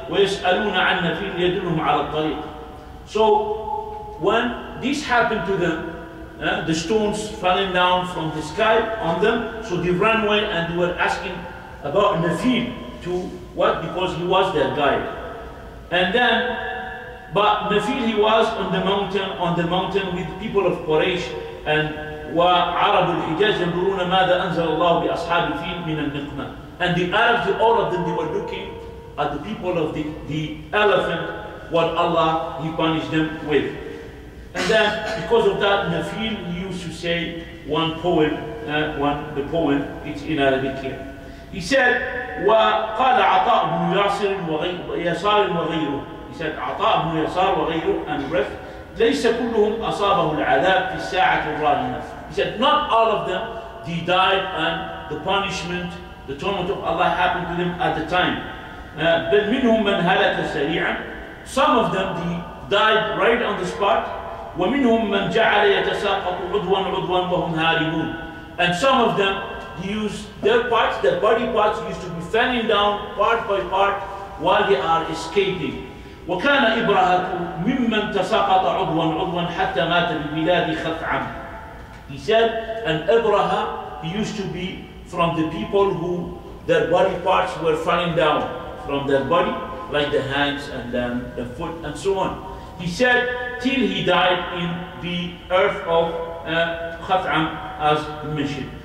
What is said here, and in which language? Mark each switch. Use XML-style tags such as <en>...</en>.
<ar>ويسألون عن نفيل يدلهم على الطريق.</ar> <en>So when this happened to them, the stones falling down from the sky on them, so they ran away and they were asking about Nafil to what? Because he was their guide. And then, but Nafil, he was on the mountain with the people of Quraysh and</en> <ar>وعرب الحجاج يقولون ماذا أنزل الله بأصحاب الفيل من النقمة.</ar> <en>And the Arabs, all of them, they were looking at the people of the elephant, what Allah, he punished them with. And then, because of that, Nafil used to say one poem, the poem, it's in Arabic here. He said,</en> <ar>وقال عطاء بن ياسر وغيره.</ar> <en>He said,</en> <ar>عطاء بن ياسر وغيره, and ref, ليس كلهم أصابه العذاب في الساعة الظالمة.</ar> <en>He said, not all of them, they died and the punishment, the torment of Allah happened to them at the time.</en> <ar>بل منهم من هلك سريعا.</ar> <en>Some of them, they died right on the spot.</en> <ar>ومنهم من جعل يتساقط عضوا عضوا وهم هاربون.</ar> <en>And some of them, they use their parts, their body parts used to be falling down part by part while they are escaping.</en> <ar>وكان إبراهيم ممن تساقط عضوا عضوا حتى مات ببلاد خثعم.</ar> <en>He said, and Abraha, he used to be from the people who their body parts were falling down from their body, like the hands and then the foot and so on. He said, till he died in the earth of Khath'am as mentioned.</en>